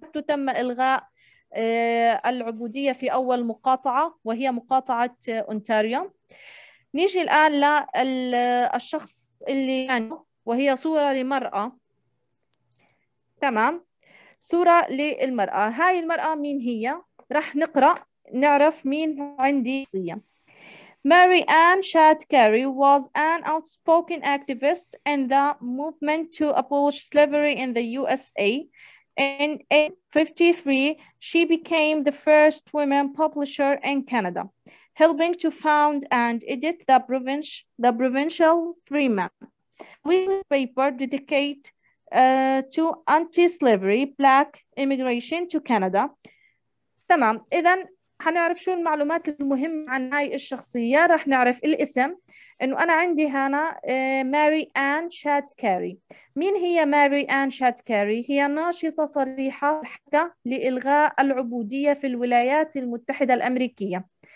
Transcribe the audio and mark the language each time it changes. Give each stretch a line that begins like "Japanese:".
Arabic: تم إلغاء العبودية في أول مقاطعة وهي مقاطعة أونتاريو. نيجي الآن للشخص اللي عنده، وهي صورة لمرأة. تمام، صورة للمرأة. هاي المرأة مين هي؟ راح نقرأ نعرف مين عندي شخصية.
English: Mary Ann Shad Carey was an outspoken activist in the movement to abolish slavery in the USA. In 1853, she became the first woman publisher in Canada, helping to found and edit the Provincial Freeman, a weekly paper dedicated to anti-slavery black immigration to Canada.
Arabic: تمام، إذا هنعرف شو المعلومات المهمة عن هاي الشخصية. راح نعرف الاسم، إنه أنا عندي هنا ماري آن شاد كاري. مين هي ماري آن شاد كاري؟ هي ناشطة صريحة حكى لإلغاء العبودية في الولايات المتحدة الأمريكية.